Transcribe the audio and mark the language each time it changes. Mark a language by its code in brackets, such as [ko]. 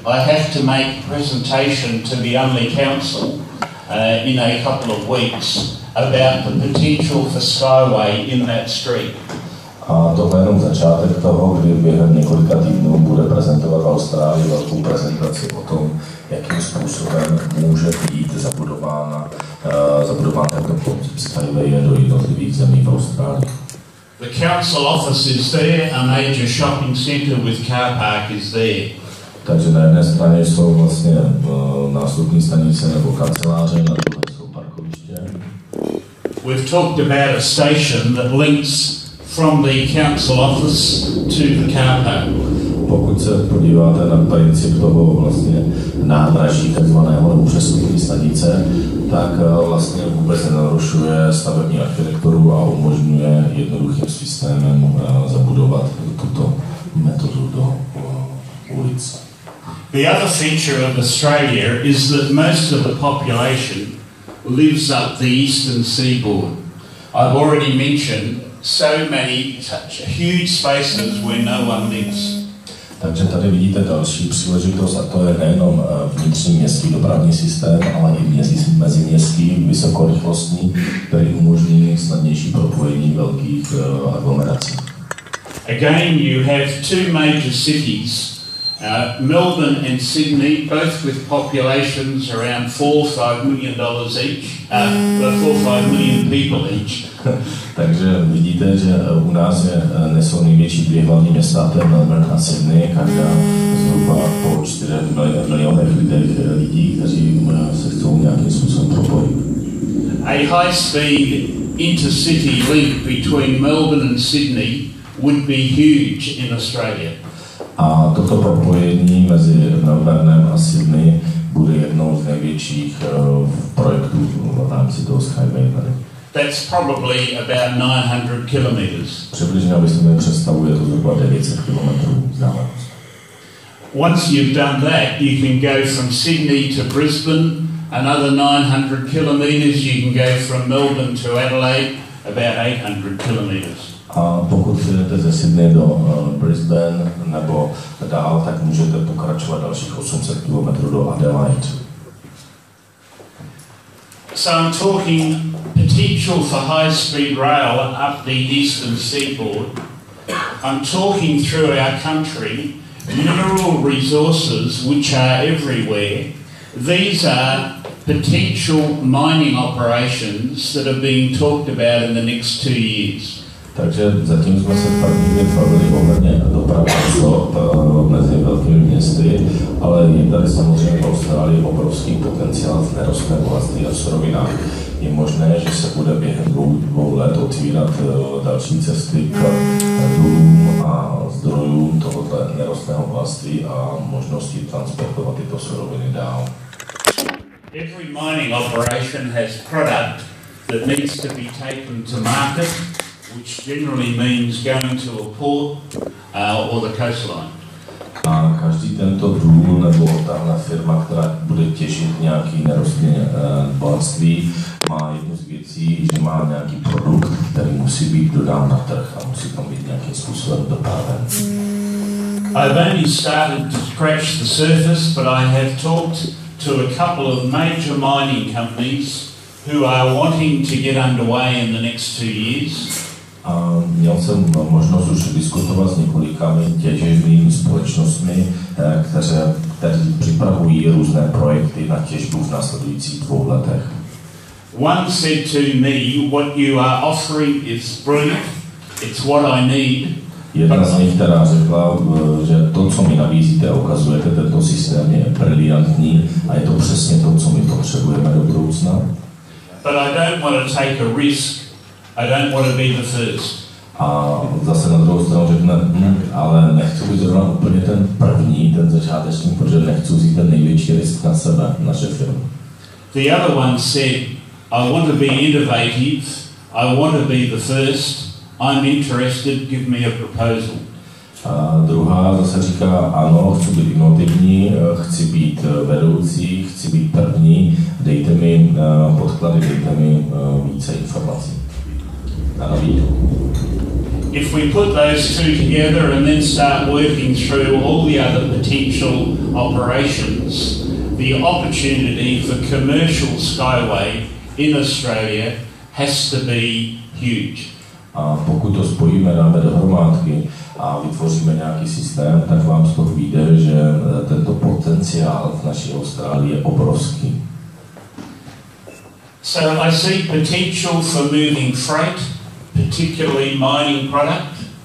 [en] I have to make presentation to the Unley Council in a couple of weeks about the potential for Skyway in that street. [cs] A to plénum za čátek toho, kdy během několika týdnů bude prezentovat Austrálii velkou prezentaci o tom, jakým způsobem může být zabudován tento koncept Skyway do jednotlivých zemí v Austrálii. [en] The council office is there, a major shopping centre with car park is there. [cs] Takže na jedné straně jsou vlastně nástupní stanice nebo kanceláře, na druhé jsou parkoviště. [en] We've talked about a station that links from the council office to the car park. [cs] Pokud se podíváte na princip toho vlastně nádraží takzvaného nebo přestupní stanice, tak vlastně vůbec nenarušuje stavební architekturu a umožňuje jednoduchým systémem zabudovat tuto metodu do ulice. [en] The other feature of Australia is that most of the population lives up the eastern seaboard. I've already mentioned so many such huge spaces where no one lives. [cs] Takže tady vidíte další příležitost, a to je nejenom vnitřní městský dopravní systém, ale i meziměstský vysokorychlostní, který umožní snadnější propojení velkých aglomerací. [en] Again, you have two major cities, Melbourne and Sydney, both with populations around $4-5 million each, $4-5 million people each. [cs] Takže vidíte, že u nás nejsou největší dvě hlavní města, to je Melbourne a Sydney, každá zhruba po 4 milionech lidí, kteří se chcou nějakým způsobem propojit. [en] A high-speed intercity link between Melbourne and Sydney would be huge in Australia. [cs] A toto propojení mezi Melbournem a Sydney bude jednou z největších projektů v rámci toho Skyway tady. [en] That's probably about 900 kilometers. [cs] Přibližně, aby se mi představuje, to zhruba 900 kilometrů vzdálenost. [en] Once you've done that, you can go from Sydney to Brisbane, another 900 kilometers, you can go from Melbourne to Adelaide, about 800 kilometers. [cs] A pokud jdete ze Sydney do Brisbane nebo dál, tak můžete pokračovat dalších 800 kilometrů do Adelaide. [en] So I'm talking potential for high-speed rail up the eastern seaboard. I'm talking through our country, mineral resources which are everywhere. These are potential mining operations that are being talked about in the next 2 years. [cs] Takže zatím jsme se první bavili ohledně dopravy mezi velkými městy, ale je tady samozřejmě v Austrálii obrovský potenciál v nerostné bohatství a surovinách. Je možné, že se bude během dvou let otvírat další cesty k důlům a zdrojům tohoto nerostného bohatství a možnosti transportovat tyto suroviny dál. [en] Every mining operation has product that needs to be taken to market, which generally means going to a port or the coastline. [cs] A každý tento důl nebo tahle firma, která bude těžit nějaký nerostné bohatství, má jednu z věcí, že má nějaký produkt, který musí být dodán na trh a musí tam být nějakým způsobem dopraven. [en] I've only started to scratch the surface, but I have talked to a couple of major mining companies who are wanting to get underway in the next 2 years. [cs] A měl jsem možnost už diskutovat s několika těžebními společnostmi, které připravují různé projekty na těžbu v následujících 2 letech. [en] One said to me, what you are offering is brilliant, it's what I need. [cs] Jedna z nich teda řekla, že to, co mi nabízíte a ukazujete, tento systém je brilliantní a je to přesně to, co my potřebujeme do budoucna. [en] But I don't want to take a risk. I don't want to be the first. [cs] A zase na druhou stranu řekne, ale nechci být zrovna úplně ten první, ten začátečník, protože nechci vzít ten největší risk na sebe, naše firmy. [en] The other one said, I want to be innovative, I want to be the first, I'm interested, give me a proposal. [cs] A druhá zase říká, ano, chci být innovativní, chci být vedoucí, chci být první, dejte mi podklady, dejte mi více informací. [en] If we put those two together and then start working through all the other potential operations, the opportunity for commercial Skyway in Australia has to be huge. [cs] A pokud to spojíme, dáme dohromádky a vytvoříme nějaký systém, tak vám z toho vyjde, že tento potenciál v naší Austrálii je obrovský. [en] So I see potential for moving freight, particularly mining product.